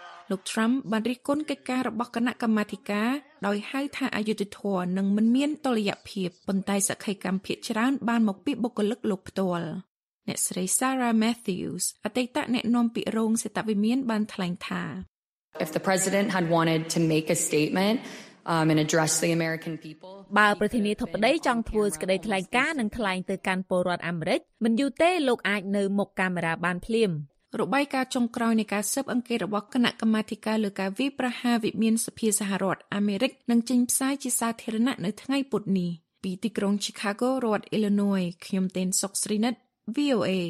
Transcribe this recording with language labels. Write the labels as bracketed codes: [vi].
[km] លោក Trump បានរិះគន់កិច្ចការរបស់គណៈកម្មាធិការដោយហៅថាអយុត្តិធម៌និងមិនមានតុល្យភាពប៉ុន្តែសក្ខីកម្មភាគច្រើនបានមកពីបុគ្គលិកលោកផ្ទាល់អ្នកស្រី Sarah Matthews អតីតអ្នកនាំពាក្យរងសេដ្ឋវិមានបានថ្លែងថា [en] If the president had wanted to make a statement and address the American people [km] បើប្រធានាធិបតីចង់ធ្វើសេចក្តីថ្លែងការណ៍និងថ្លែងទៅកាន់ពលរដ្ឋអាមេរិកមិនយូរទេលោកអាចនៅមុខកាមេរ៉ាបានភ្លាម របាយការណ៍ចុងក្រោយនៃការស៊ើបអង្កេតរបស់គណៈកម្មាធិការលើការវាយប្រហារវិមានសភាសហរដ្ឋអាមេរិកនឹងចេញផ្សាយជាសាធារណៈនៅថ្ងៃពុធនេះពីទីក្រុង Chicago រដ្ឋ Illinois ខ្ញុំទេនសុកស្រីណិត VOA